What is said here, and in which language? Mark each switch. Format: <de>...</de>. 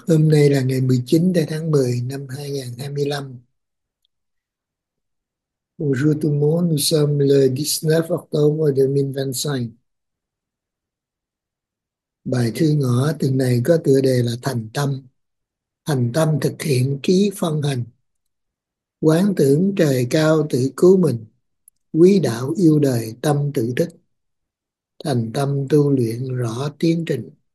<vi>Hôm nay là ngày 19 tháng 10 năm 2025.</vi> <fr>Bonjour tout le monde, nous sommes le 19 octobre 2025.</fr> <vi>Bài thư ngữ tuần này có tựa đề là Thành tâm. Thành tâm thực hiện ký phân hành. Quán tưởng trời cao tự cứu mình. Quý đạo yêu đời tâm tự thức. Thành tâm tu luyện rõ tiến trình.</vi>